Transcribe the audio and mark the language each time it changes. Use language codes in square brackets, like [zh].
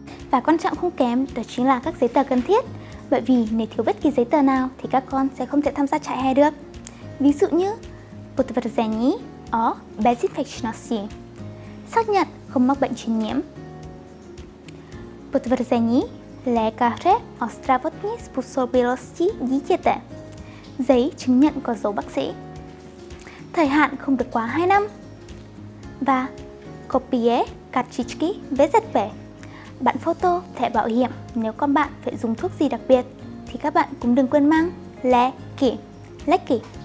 [vi] Và quan trọng không kém đó chính là các giấy tờ cần thiết. Bởi vì nếu thiếu bất kỳ giấy tờ nào thì các con sẽ không thể tham gia trại hè được. Ví dụ như [cs] potvrzení o bezinfekčnosti. [vi] Xác nhận không mắc bệnh truyền nhiễm. [cs] Potvrzení lékaře o zdravotní způsobilosti dítěte. [vi] Giấy chứng nhận có dấu bác sĩ. Thời hạn không được quá 2 năm. Và [cs] kopie kartičky VZP. [vi] Bản photo thẻ bảo hiểm nếu con bạn phải dùng thuốc gì đặc biệt thì các bạn cũng đừng quên mang [cs] léky. Léky.